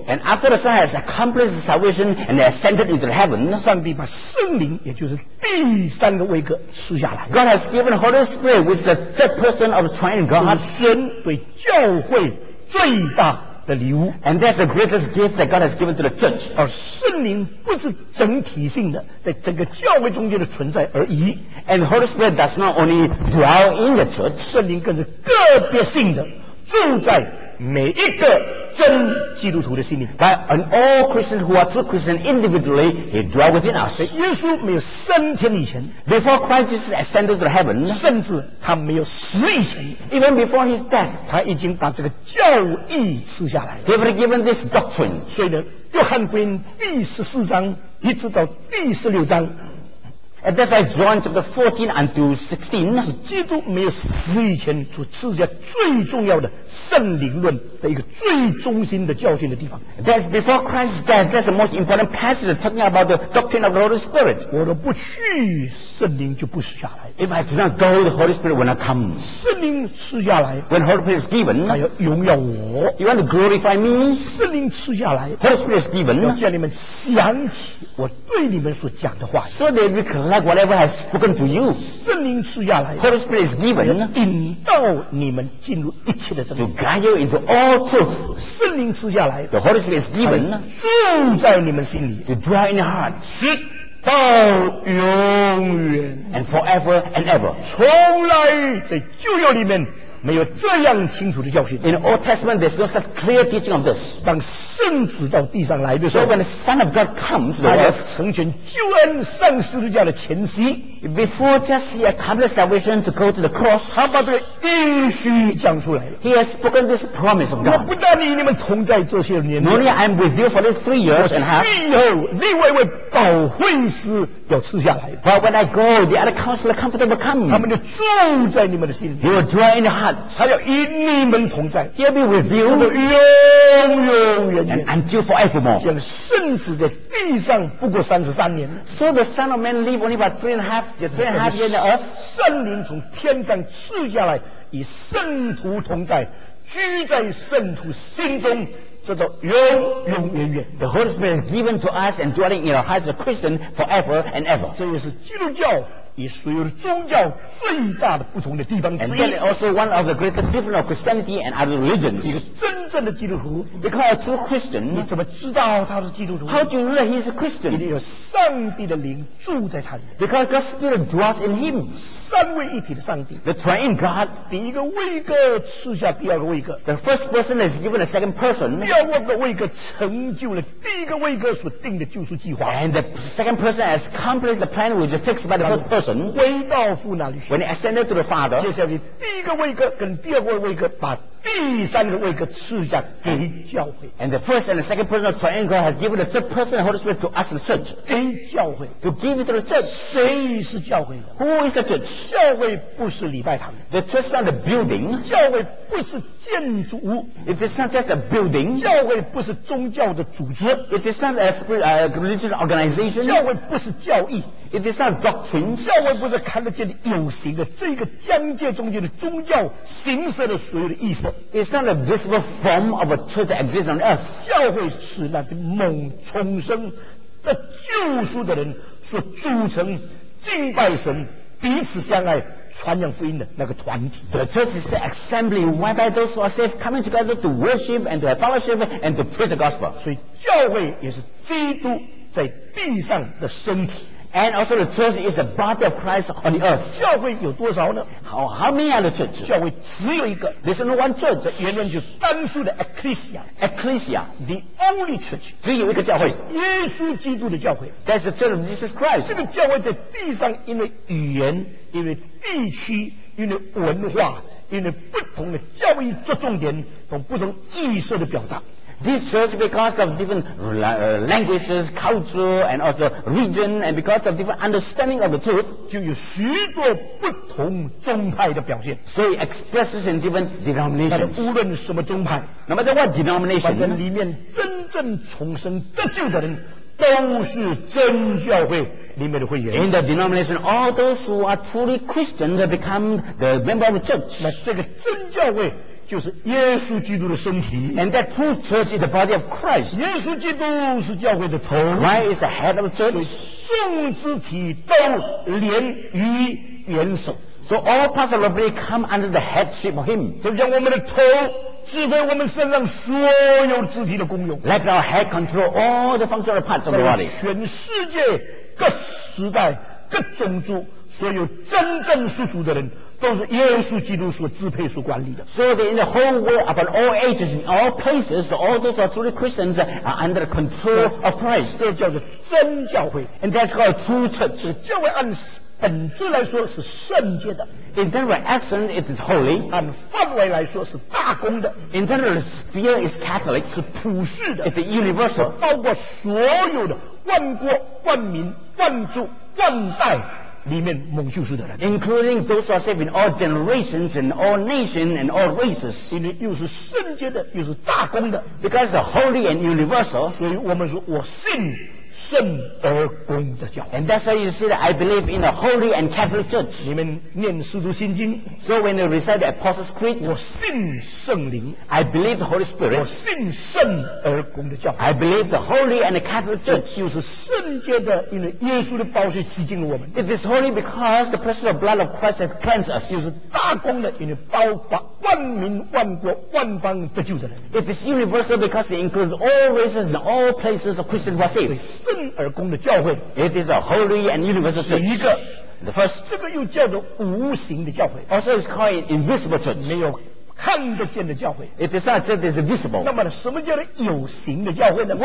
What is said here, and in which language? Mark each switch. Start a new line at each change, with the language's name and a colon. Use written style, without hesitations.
English: ，and after the Son has accomplished salvation and ascended into heaven，
Chinese: 上帝把圣灵，也就是第三个位格赐下来。
English: God has given Holy Spirit, which is the third person of the Triune God，
Chinese: 神对教会最大的礼物
English: ，and that's the greatest gift that God has given to the church。
Chinese: 而圣灵不是整体性的，在整个教会中间的存在而已
English: ，and Holy Spirit does not only dwell in the church。
Chinese: 圣灵更是个别性的，住在每一个真基督徒的心里。
English: But on all Christians who are true Christians individually, He dwells within us。
Chinese: 耶稣没有升天以前
English: ，before Christ Jesus ascended to heaven，
Chinese: 甚至他没有死以前
English: ，even before His death，
Chinese: 他已经把这个教义赐下来。
English: He has given this doctrine。
Chinese: 所以呢，约翰福音第十四章一直到第十六章。
English: And that's why John chapter 14 until 16
Chinese: 是基督没有死以前所赐下最重要的圣灵论的一个最中心的教训的地方。
English: That's before Christ's death. That's the most important passage talking about the doctrine of the Holy Spirit.
Chinese: 我若不去，圣灵就不死下来。
English: If I do not go, the Holy Spirit will not come.
Chinese: 圣灵赐下来
English: ，When Holy Spirit is given，
Chinese: 他要荣耀我。
English: You want to glorify me？
Chinese: 圣灵赐下来
English: ，Holy Spirit is given，
Chinese: 要叫你们想起我对你们所讲的话。
English: So they recall。 Like whatever has spoken to you，
Chinese: 圣灵赐下来
English: ，Holy Spirit is given，
Chinese: 引导你们进入一切的真理
English: ，to guide you into all truth，
Chinese: 圣灵赐下来
English: ，the Holy Spirit is given，
Chinese: 住在你们心里
English: ，to dwell in your heart，
Chinese: 直到永远
English: ，and forever and ever，
Chinese: 从来在旧约里面没有这样清楚的教训。
English: In the Old Testament, there's no such clear teaching of this.
Chinese: 当圣子到地上来的时候
English: ，So when the Son of God comes,
Chinese: 他要成全救恩上十字架的前夕。
English: Before just he accomplished salvation to go to the cross,
Chinese: 他把这个应许讲出来了。
English: He has spoken this promise of God.
Chinese: 我不但与你们同在这些年
English: ，Not only I'm with you for the 3 years and half.
Chinese: 我去以后，另外一位保惠师要赐下来。
English: But when I go, the other Counselor, Comforter will come.
Chinese: 他们就住在你们的心里。
English: He will dwell in your heart.
Chinese: 他要与你们同在
English: ，He'll be with you，
Chinese: 这么永永远远
English: ，and until forevermore。
Chinese: 现在圣子在地上不过33年
English: ，So the Son of Man live only about three and a half years on earth。
Chinese: 圣灵从天上赐下来，与圣徒同在，居在圣徒心中。直到永永远远
English: ，The Holy Spirit is given to us and dwelling in our hearts as Christians forever and ever。
Chinese: 这也是基督教与所有的宗教最大的不同的地方之一。
English: And that is also one of the greatest difference of Christianity and other religions。
Chinese: 一个真正的基督徒
English: ，Because a true Christian，
Chinese: 你怎么知道他是基督徒
English: ？How do you know he is a Christian？
Chinese: 一定有上帝的灵住在他里。
English: Because God's Spirit dwells in him。
Chinese: 三位一体的上帝
English: ，The Triune God，
Chinese: 第一个位格赐下第二个位格
English: ，The first person is given a second person。
Chinese: 第二个位格成就了第一个位格所定的救赎计划
English: ，And the second person has accomplished the plan which is fixed by the first person。
Chinese: 回到父那里去
English: ，When he ascended to the Father。
Chinese: 接下来第一个位格跟第二个位格把第三个位格赐下给教会
English: ，And the first and the second person of Triune God has given the third person Holy Spirit to us the church。
Chinese: 给教会
English: ，To give it to the church。
Chinese: 谁是教会
English: ？Who is the church？
Chinese: 教会不是礼拜堂
English: ，The church is not a building。
Chinese: 教会不是建筑物
English: ，It is not just a building。
Chinese: 教会不是宗教的组织
English: ，It is not a religious organization。
Chinese: 教会不是教义
English: ，It is not a doctrine。
Chinese: 教会不是看得见的有形的这个疆界中间的宗教形式的所有的意思。
English: It is not a visible form of a church that exists on earth。
Chinese: 教会是那些猛重生的救赎的人所组成敬拜神。彼此相爱传扬福音的那个团体
English: The church is the assembly whereby those who are saved coming together to worship and to have fellowship and to preach the gospel
Chinese: 所以教会也是基督在地上的身体
English: And also the church is the body of Christ on the earth
Chinese: 教会有多少呢
English: How many are the church
Chinese: 教会只有一个
English: There's only one church
Chinese: 这言论就是单数的 Ecclesia
English: Ecclesia The only church
Chinese: 只有一个教会耶稣基督的教会
English: That's the church of Jesus Christ
Chinese: 这个教会在地上因为语言因为地区因为文化因为不同的教义着重点同不同意识的表达
English: This church, because of different languages, culture, and also region, and because of different understanding of the truth,
Chinese: 就有许多不同宗派的表现。
English: So it expresses in different denominations.
Chinese: 无论什么宗派，那么在
English: what denomination，
Chinese: 反正里面真正重生得救的人，都是真教会里面的会员。
English: In the denomination, all those who are truly Christians have become the member of the church.
Chinese: 那这个真教会。就是耶稣基督的身体
English: and that true church is the body of Christ
Chinese: 耶稣基督是教会的头
English: Christ is the head of the church
Chinese: 所以众肢体都连于元首
English: so all parts of the body come under the headship of him
Chinese: 就像我们的头指挥我们身上所有肢体的功用
English: like our head control all the functional parts of the body
Chinese: 全世界各时代各种族所有真正属主的人都是耶稣基督所支配、所管理的。
English: So that in the whole world, upon all ages, in all places, all those are truly Christians are under the control of Christ.
Chinese: 这叫做真教会。
English: And that's called true church.
Chinese: 教会按本质来说是圣洁的。
English: In terms of essence, it is holy.
Chinese: 按范围来说是大公的。
English: In terms of sphere, it's Catholic.
Chinese: 是普世的。
English: It's universal.
Chinese: 包括所有的万国、万民、万族、万代。里面蒙救赎的人
English: including those who are saved in all generations and all nations and all races
Chinese: 因为又是圣洁的又是大公的
English: because the holy and universal
Chinese: 所以我们说我信圣而公的教
English: and that's why you see that I believe in a holy and Catholic church
Chinese: 你们念四读心经
English: so when you recite the Apostles' Creed
Chinese: 我信圣灵
English: I believe the Holy Spirit
Chinese: 我信圣而公的教
English: I believe the holy and the Catholic church
Chinese: 就是圣洁的因为耶稣的宝血洗净了我们
English: it is holy because the precious blood of Christ has cleansed us
Chinese: 就是大公的因为包括万民万国万邦得救的人
English: it is universal because it includes all races and all places of Christians who are saved
Chinese: 圣而公的教会
English: It is a holy and universal church
Chinese: 一个
English: The first
Chinese: 这个又叫做无形的教会
English: Also it's called an invisible church
Chinese: 没有看得见的教会
English: It is not just that it's visible
Chinese: 那么什么叫做有形的教会呢